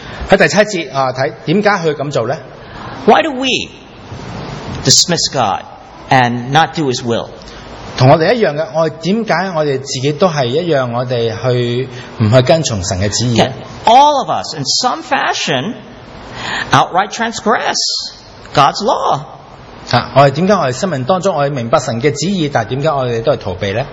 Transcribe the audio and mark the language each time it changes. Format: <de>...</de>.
<zh>在第七节，为什么他会这样做呢？</zh> <en>Why do we dismiss God and not do his will?</en> <zh>跟我们一样的，为什么我们自己都是一样，我们不去跟从神的旨意？</zh> <en>All of us, in some fashion, outright transgress God's law.</en> <zh>我们为什么我们生命当中我们明白神的旨意，但为什么我们都是逃避呢？</zh>